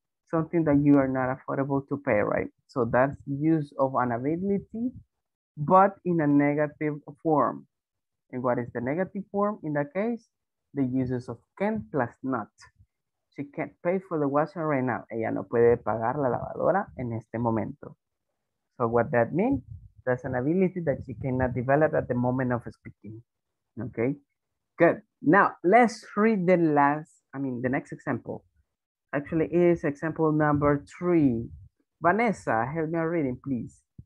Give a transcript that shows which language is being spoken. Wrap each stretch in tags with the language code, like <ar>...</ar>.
<en>Something that you are not affordable to pay, right? So that's use of an ability, but in a negative form. And what is the negative form in that case? The uses of can plus not. She can't pay for the washer right now.</en> <es>Ella no puede pagar la lavadora en este momento.</es> <en>So what that means, that's an ability that she cannot develop at the moment of speaking. Okay, good. Now let's read the next example. Actually it is example number three. Vanessa, help me reading, please.</en>